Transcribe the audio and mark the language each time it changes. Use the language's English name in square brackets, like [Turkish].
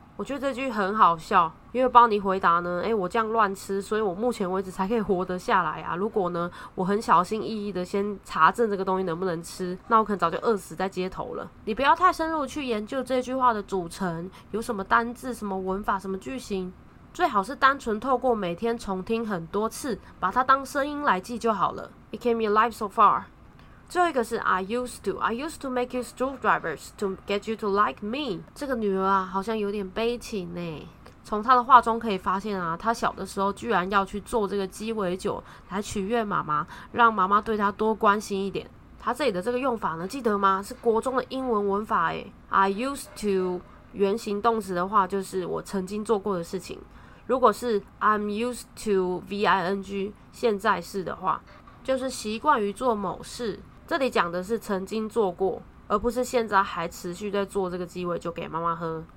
[Chinese] 我觉得这句很好笑，因为邦尼回答呢，欸，我这样乱吃，所以我目前为止才可以活得下来啊，如果呢我很小心翼翼的先查证这个东西能不能吃，那我可能早就饿死在街头了。你不要太深入去研究这句话的组成，有什么单字、什么文法、什么句型，最好是单纯透过每天重听很多次，把它当声音来记就好了。 [English] It kept me alive so far。 [Chinese] 最后一个是 [English] I used to make you screwdrivers to get you to like me。 [Chinese] 这个女儿啊好像有点悲情耶，从她的话中可以发现啊，她小的时候居然要去做这个鸡尾酒来取悦妈妈，让妈妈对她多关心一点。她这里的这个用法呢，记得吗？是国中的英文文法耶。I used to原型动词的话就是我曾经做过的事情，如果是 I'm used to V-I-N-G 现在式的话，就是习惯于做某事，这里讲的是曾经做过，而不是现在还持续在做这个鸡尾酒给妈妈喝。